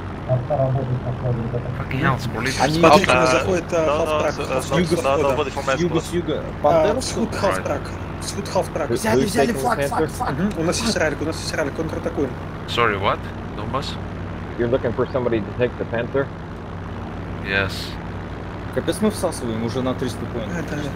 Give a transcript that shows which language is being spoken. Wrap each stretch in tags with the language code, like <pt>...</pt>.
<ru>Они смотрите, у нас заходит халфтрак с юга входа. С юга. Всход халфтрак. Взяли флаг. У нас есть ралик, контратакуем.</ru> <en>Sorry, what? Донбасс? You're looking for somebody to take the Panther? Yes.</en> <ru>Капец, мы всасываем уже на 300 поинтов.</ru>